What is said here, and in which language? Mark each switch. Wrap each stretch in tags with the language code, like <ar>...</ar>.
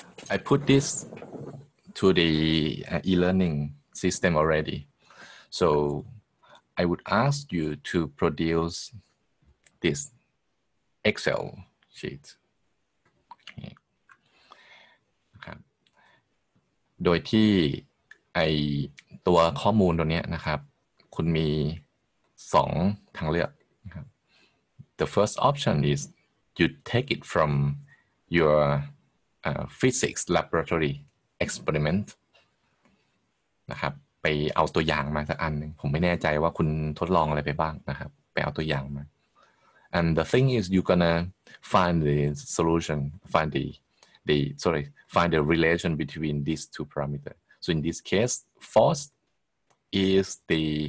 <en>I put this to the e-learning system already. So I would ask you to produce this Excel sheet. Okay.</en> <th>โดยที่ไอตัวข้อมูลตัวเนี้ยนะครับคุณมี2ทางเลือกนะครับ</th> <en>The first option is you take it from your physics laboratory experiment</en> <th>นะครับไปเอาตัวอย่างมาสักอันนึงผมไม่แน่ใจว่าคุณทดลองอะไรไปบ้างนะครับไปเอาตัวอย่างมา</th> <en>and the thing is you're gonna find the solution find the sorry find the relation between these two parameters so in this case force is the</en>